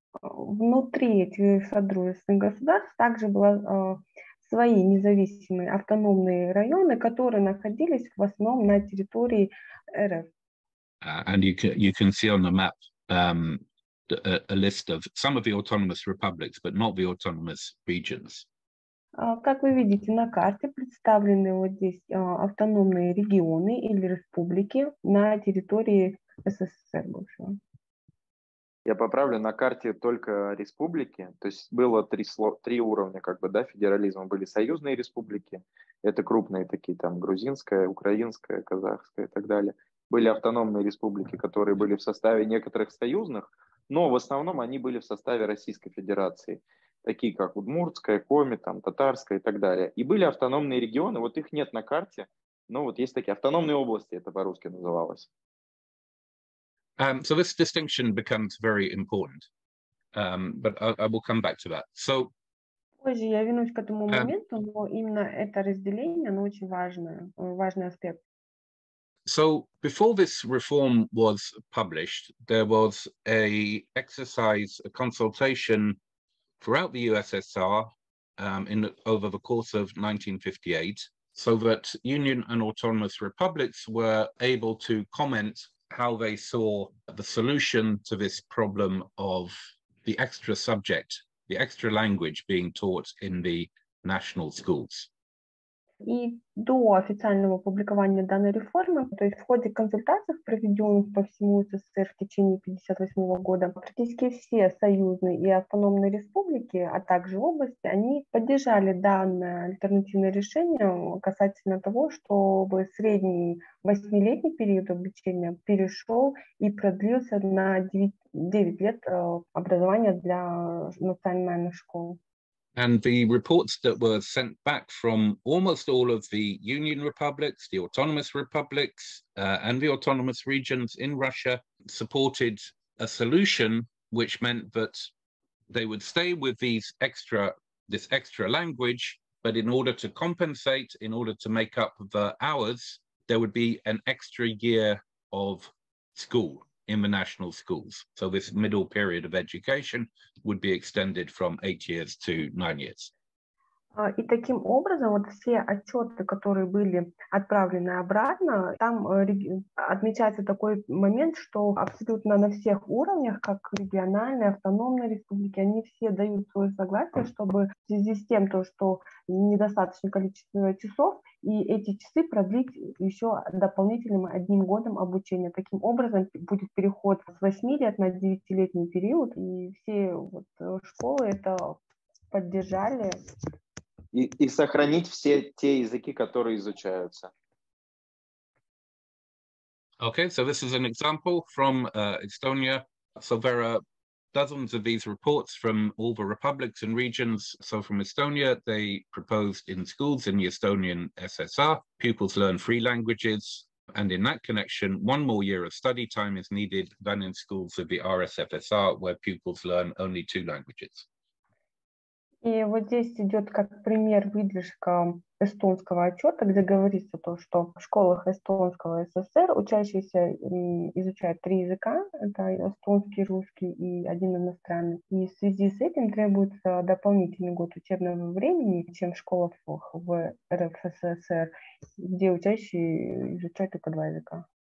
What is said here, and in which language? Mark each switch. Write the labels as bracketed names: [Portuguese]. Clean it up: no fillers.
[Russian] Внутри этих содружественных государств также было свои независимые автономные районы, которые находились в основном на территории РФ. [English] And you can see on the map a list of some of the autonomous republics, but not the autonomous regions. [Russian] Как вы видите на карте, представлены вот здесь автономные регионы или республики на территории СССР бывшего. Я поправлю, на карте только республики, то есть было три уровня как бы, да, федерализма. Были союзные республики, это крупные такие, там, грузинская, украинская, казахская и так далее. Были автономные республики, которые были в составе некоторых союзных, но в основном они были в составе Российской Федерации, такие как Удмуртская, Коми, там, Татарская и так далее. И были автономные регионы, вот их нет на карте, но вот есть такие автономные области, это по-русски называлось. [English] So this distinction becomes very important, but I will come back to that. So, [Russian] позже я вернусь к этому моменту, но именно это разделение, оно очень важное, важный аспект. [English] So before this reform was published, there was a exercise, a consultation throughout the USSR in over the course of 1958, so that Union and Autonomous Republics were able to comment how they saw the solution to this problem of the extra subject, the extra language being taught in the national schools. [Russian] И до официального публикования данной реформы, то есть в ходе консультаций, проведенных по всему СССР в течение 58 года, практически все союзные и автономные республики, а также области, они поддержали данное альтернативное решение касательно того, чтобы средний 8-летний период обучения перешел и продлился на 9 лет образования для национальных школ. [English] And the reports that were sent back from almost all of the Union republics, the autonomous republics, and the autonomous regions in Russia supported a solution which meant that they would stay with this extra language, but in order to compensate, in order to make up the hours, there would be an extra year of school in the national schools. So this middle period of education would be extended from 8 years to 9 years. [Russian] И таким образом, вот все отчеты, которые были отправлены обратно, там отмечается такой момент, что абсолютно на всех уровнях, как региональные, автономные республики, они все дают свое согласие, чтобы в связи с тем, то, что недостаточно количество часов, и эти часы продлить еще дополнительным одним годом обучения. Таким образом, будет переход с 8 лет на 9-летний период, и все вот школы это поддержали. И сохранить все те языки, которые изучаются. [English] Okay, so this is an example from Estonia. So there are dozens of these reports from all the republics and regions. So from Estonia, they proposed in schools in the Estonian SSR, pupils learn three languages. And in that connection, one more year of study time is needed than in schools of the RSFSR, where pupils learn only two languages. [Russian] И вот здесь идет как пример выдержка эстонского отчета, где говорится то, что в школах эстонского СССР учащиеся изучают три языка, это эстонский, русский и один иностранный. И в связи с этим требуется дополнительный год учебного времени, чем в школах в РФССР, где учащие изучают только два языка.